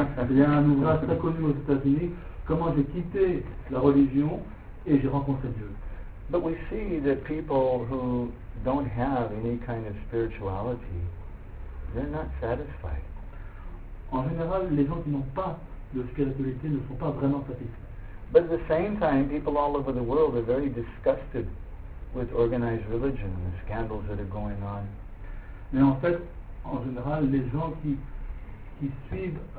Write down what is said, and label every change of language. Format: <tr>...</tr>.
<fr>Il y a un ouvrage très connu aux États-Unis, Comment j'ai quitté la religion et j'ai rencontré Dieu.</fr> <en>But we see that people who don't have any kind of spirituality, they're not satisfied.</en> <fr>En général, les gens qui n'ont pas de spiritualité ne sont pas vraiment satisfaits.</fr> <en>But at the same time, people all over the world are very disgusted with organized religion and the scandals that are going on.</en> <fr>Mais en fait, en général, les gens qui suivent,</fr>